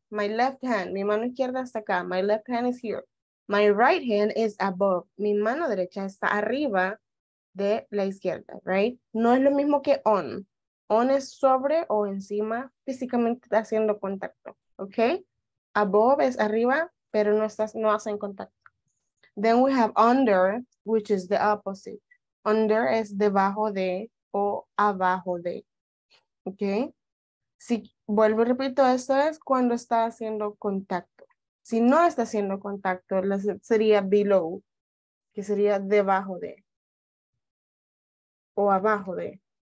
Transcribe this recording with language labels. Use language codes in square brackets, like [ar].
[en] My left hand, [es] mi mano izquierda está acá. [en] My left hand is here. My right hand is above. [es] Mi mano derecha está arriba de la izquierda, right? No es lo mismo que on. On es sobre o encima, físicamente haciendo contacto, ¿ok? Above es arriba, pero no hacen contacto. [en] Then we have under, which is the opposite. [es] Under es debajo de o abajo de, ¿ok? Si vuelvo y repito, esto es cuando está haciendo contacto. Si no está haciendo contacto, sería below, que sería debajo de o abajo de.